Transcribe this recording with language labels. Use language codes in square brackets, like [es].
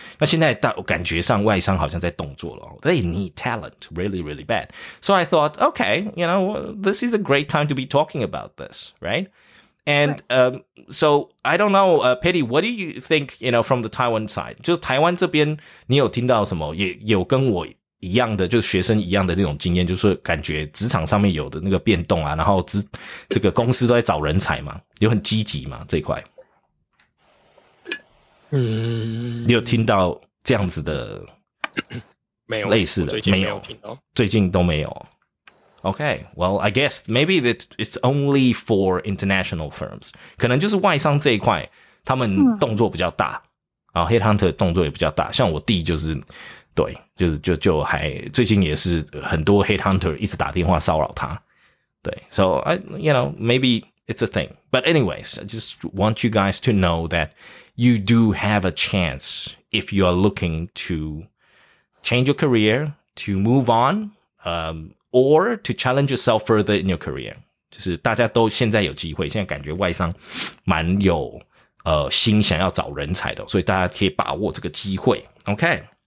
[zh] 那现在感觉上外商好像在动作了 ， [en] They need talent really really bad. So I thought, okay, you know, this is a great time to be talking about this, right? And so I don't know, Petty, what do you think? You know, from the Taiwan side, [zh] 就是台湾这边，你有听到什么？也有跟我一样的，就是学生一样的那种经验，就是感觉职场上面有的那个变动啊，然后这个公司都在找人才嘛，有很积极嘛这一块。你有听到这样子的？没有类似的，没有听到，最近都没有。 [en] Okay, well, I guess maybe that it's only for international firms. [zh] 可能就是外商这一块，他们动作比较大，然后 headhunter 动作也比较大。像我弟就是。对，就还最近也是很多 hate hunter 一直打电话骚扰他，对 [en] ，so I you know maybe it's a thing, but anyways, I just want you guys to know that you do have a chance if you are looking to change your career, to move on, or to challenge yourself further in your career. [zh] 就是大家都现在有机会，现在感觉外商蛮有心想要找人才的，所以大家可以把握这个机会 ，OK。